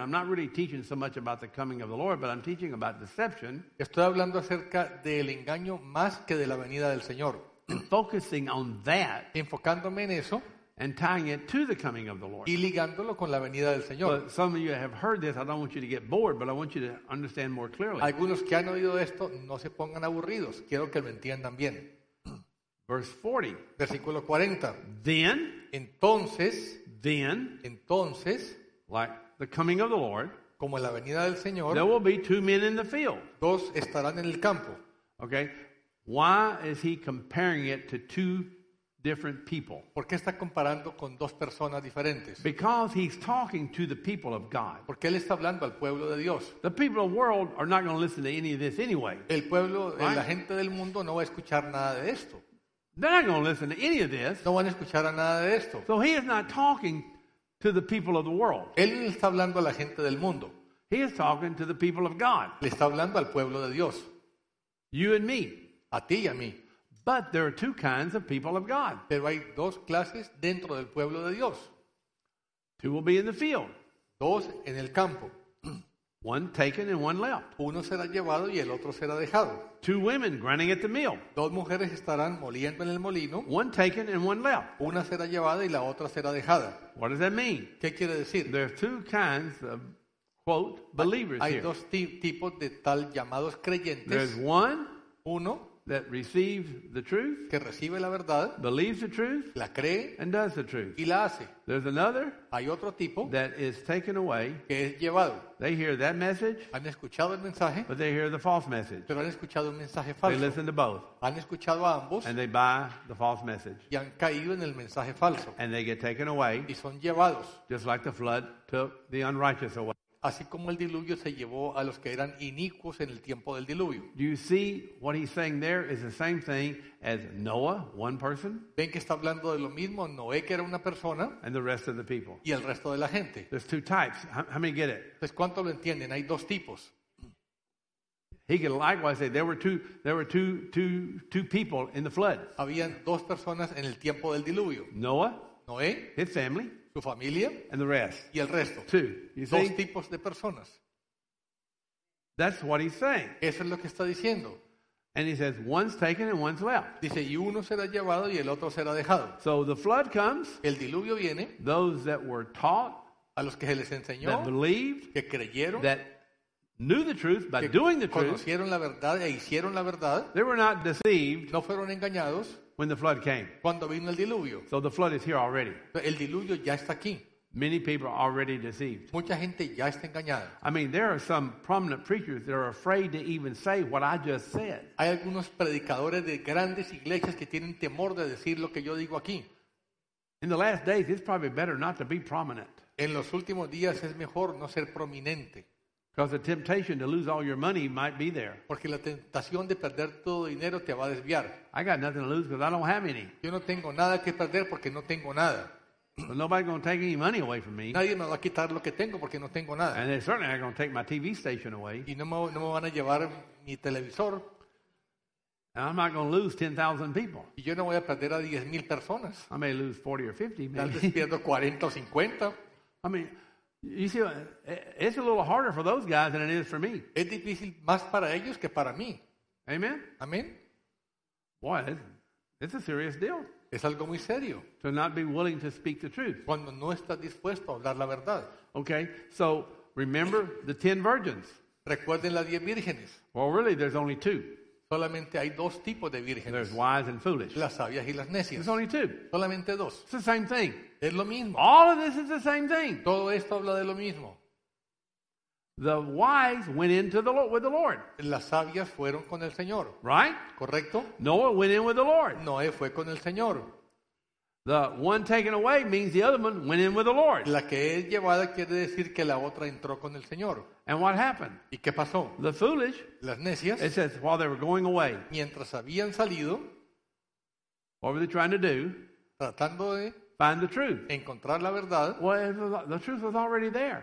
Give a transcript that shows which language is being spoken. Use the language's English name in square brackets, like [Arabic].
[English] I'm not really teaching so much about the coming of the Lord, but I'm teaching about deception. [Spanish] Estoy hablando acerca del engaño más que de la venida del Señor. [English] Focusing on that. [Spanish] Enfocándome en eso. [English] And tying it to the coming of the Lord. [Spanish] Y ligándolo con la venida del Señor. [English] But some of you have heard this. I don't want you to get bored, but I want you to understand more clearly. [Spanish] Algunos que han oído esto, no se pongan aburridos. Quiero que lo entiendan bien. [English] Verse 40. [Spanish] Versículo 40. [English] Then, [Spanish] entonces, [English] like the coming of the Lord, [Spanish] como la venida del Señor, [English] there will be two men in the field. [Spanish] Dos estarán en el campo. [English] Okay. Why is he comparing it to two different people? [Spanish] ¿Por qué está comparando con dos personas diferentes? [English] Because he's talking to the people of God. [Spanish] Porque él está hablando al pueblo de Dios. [English] The people of the world are not going to listen to any of this anyway. [Spanish] El pueblo, right? La gente del mundo no va a escuchar nada de esto. [English] They're not going to listen to any of this. [Spanish] No van a escuchar a nada de esto. [English] So he is not talking to the people of the world. [Spanish] Él está hablando a la gente del mundo. [English] He is talking to the people of God. [Spanish] Le está hablando al pueblo de Dios. [English] You and me. [Spanish] A ti y a mí. [English] But there are two kinds of people of God. [Spanish] Pero hay dos clases dentro del pueblo de Dios. [English] Two will be in the field. [Spanish] Dos en el campo. [English] One taken and one left. [Spanish] Uno será llevado y el otro será dejado. [English] Two women grinding at the mill. [Spanish] Dos mujeres estarán moliendo en el molino. [English] One taken and one left. [Spanish] Una será llevada y la otra será dejada. [English] What does that mean? [Spanish] ¿Qué quiere decir? [English] There are two kinds of quote believers [Spanish] hay Hay dos tipos de tal llamados creyentes. [English] There's one. [Spanish] Uno. [English] That receives the truth, [Spanish] que recibe la verdad, [English] believes the truth, [Spanish] la cree, [English] and does the truth. [Spanish] Y la hace. [English] There's another, [Spanish] hay otro tipo, [English] that is taken away, [Spanish] que es llevado. [English] They hear that message, [Spanish] han escuchado el mensaje, [English] but they hear the false message. [Spanish] Pero han escuchado un mensaje falso. [English] They listen to both, [Spanish] han escuchado a ambos, [English] and they buy the false message, [Spanish] y han caído en el mensaje falso, [English] and they get taken away, [Spanish] y son llevados, [English] just like the flood took the unrighteous away. [Spanish] Así como el diluvio se llevó a los que eran inicuos en el tiempo del diluvio. [English] Do you see what he's saying there is the same thing as Noah, one person? [Spanish] Ven que está hablando de lo mismo, Noé que era una persona. [English] And the rest of the people. [Spanish] Y el resto de la gente. [English] There's two types. How many get it? [Spanish] Pues ¿cuántos lo entienden? Hay dos tipos. [English] He could likewise say there were two people in the flood. [Spanish] Habían dos personas en el tiempo del diluvio. [English] Noah. [Spanish] Noé. [English] His family. [Spanish] Su familia, [English] and the rest. [Spanish] Y el resto. [English] Two. You see? [Spanish] Dos tipos de personas. [English] That's what he's saying. [Spanish] Eso es lo que está diciendo. [English] And he says, one's taken and one's left. [Spanish] Dice, y uno será llevado y el otro será dejado. [English] So the flood comes. [Spanish] El diluvio viene. [English] Those that were taught. [Spanish] A los que se les enseñó. [English] That believed. [Spanish] Que creyeron. [English] That knew the truth by doing the truth. [Spanish] Conocieron la verdad e hicieron la verdad. [English] They were not deceived. [Spanish] No fueron engañados. [English] When the flood came. [Spanish] Cuando vino el diluvio. [English] So the flood is here already. [Spanish] El diluvio ya está aquí. [English] Many people are already deceived. [Spanish] Mucha gente ya está engañada. [English] I mean, there are some prominent preachers that are afraid to even say what I just said. [Spanish] Hay algunos predicadores de grandes iglesias que tienen temor de decir lo que yo digo aquí. [English] In the last days, it's probably better not to be prominent. [Spanish] En los últimos días es mejor no ser prominente. [English] Because the temptation to lose all your money might be there. [Spanish] Porque la tentación de perder todo dinero te va a desviar. [English] I got nothing to lose because I don't have any. [Spanish] Yo no tengo nada que perder porque no tengo nada. [English] So nobody's going to take any money away from me. [Spanish] Nadie me va a quitar lo que tengo porque no tengo nada. [English] And they certainly aren't going to take my TV station away. [Spanish] Y no me van a llevar mi televisor. [English] And I'm not going to lose 10,000 people. [Spanish] Y yo no voy a perder a 10,000 personas. [English] I may lose 40 or 50. [Spanish] Tal vez pierdo 40 o 50. [English] I mean, you see, it's a little harder for those guys than it is for me. [Spanish] Es difícil más para ellos que para mí. [English] Amen. [Spanish] Amen. [English] Boy, it's a serious deal. [Spanish] Es algo muy serio. [English] To not be willing to speak the truth. [Spanish] Cuando no estás dispuesto a hablar la verdad. [English] Okay, so remember the 10 virgins. [Spanish] Recuerden las 10 vírgenes. [English] Well, really, there's only two. [Spanish] Solamente hay dos tipos de vírgenes. [English] There's wise and foolish. [Spanish] Las sabias y las necias. [English] There's only two. [Spanish] Solamente dos. [English] It's the same thing. [Spanish] Es lo mismo. [English] All of this is the same thing. [Spanish] Todo esto habla de lo mismo. [English] The wise went into the Lord with the Lord. [Spanish] Las sabias fueron con el Señor. [English] Right? [Spanish] Correcto. [English] Noah went in with the Lord. [Spanish] Noé fue con el Señor. [English] The one taken away means the other one went in with the Lord. [Spanish] La que es llevada quiere decir que la otra entró con el Señor. [English] And what happened? [Spanish] ¿Y qué pasó? [English] The foolish. [Spanish] Las necias. [English] It says while they were going away. [Spanish] Mientras habían salido. [English] What were they trying to do? [Spanish] Tratando de. [English] Find the truth. [Spanish] Encontrar la verdad. [English] Well, the truth was already there.